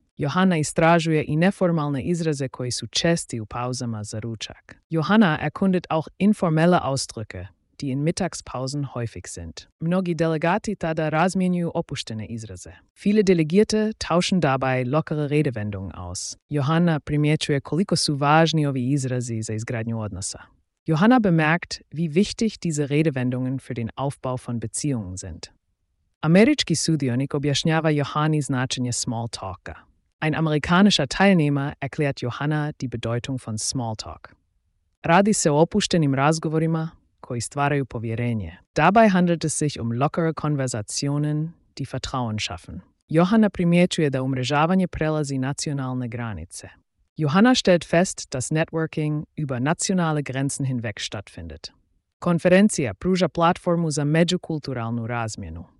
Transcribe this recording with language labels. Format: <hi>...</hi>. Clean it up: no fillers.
<hr>Johanna istražuje i neformalne izraze koji su česti u pauzama za ručak.</hr> <de>Johanna erkundet auch informelle Ausdrücke, die in Mittagspausen häufig sind.</de> <hr>Mnogi delegati tada razmjenjuju opuštene izraze.</hr> <de>Viele Delegierte tauschen dabei lockere Redewendungen aus.</de> <hr>Johanna primjećuje koliko su važni ovi izrazi za izgradnju odnosa.</hr> <de>Johanna bemerkt, wie wichtig diese Redewendungen für den Aufbau von Beziehungen sind.</de> <hr>Američki sudionik objašnjava Johani značenje small talka.</hr> <de>Ein amerikanischer Teilnehmer erklärt Johanna die Bedeutung von small talk.</de> <hr>Radi se o opuštenim razgovorima koji stvaraju povjerenje.</hr> <de>Dabei handelt es sich um lockere Konversationen, die Vertrauen schaffen.</de> <hr>Johanna primjećuje da umrežavanje prelazi nacionalne granice.</hr> <de>Johanna stellt fest, dass Networking über nationale Grenzen hinweg stattfindet.</de> <hr>Konferencija pruža platformu za međukulturalnu razmjenu.</hr>